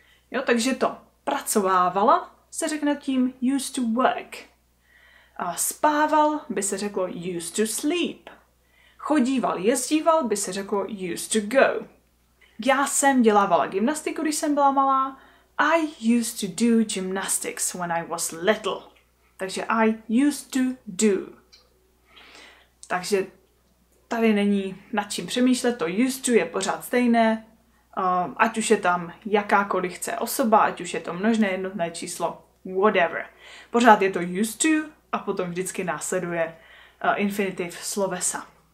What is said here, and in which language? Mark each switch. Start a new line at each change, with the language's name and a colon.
Czech: Jo, takže to pracovávala, se řekne tím used to work. A spával by se řeklo
English: used to sleep.
Czech: Chodíval, jezdíval by se řeklo
English: used to go.
Czech: Já jsem dělávala gymnastiku, když jsem byla malá.
English: I used to do gymnastics when I was little.
Czech: Takže
English: I used to do. Takže
Czech: tady není nad čím přemýšlet, to used to je pořád stejné, ať už je tam jakákoliv chce osoba, ať už je to množné jednotné číslo, whatever. Pořád je to used to a potom vždycky následuje infinitiv slovesa.